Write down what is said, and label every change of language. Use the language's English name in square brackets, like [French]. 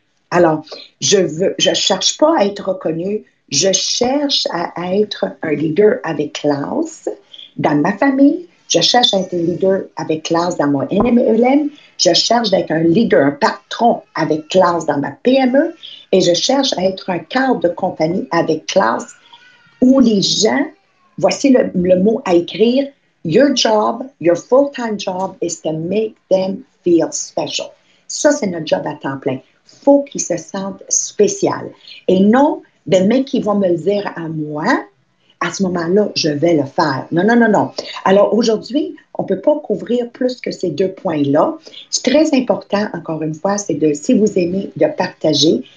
[French] Alors, je cherche pas à être reconnu, je cherche à être un leader avec classe dans ma famille, je cherche à être un leader avec classe dans mon NMLM, je cherche d'être un leader, un patron avec classe dans ma PME et je cherche à être un cadre de compagnie avec classe où les gens, voici le mot à écrire. [English] Your job, your full-time job is to make them feel special. [French] Ça, c'est notre job à temps plein. Faut qu'ils se sentent spéciaux. Et non, Ben, mais qui vont me le dire à moi, à ce moment-là, je vais le faire. Non, non, non, non. Alors aujourd'hui, on ne peut pas couvrir plus que ces deux points-là. C'est très important, encore une fois, c'est de, si vous aimez, de partager.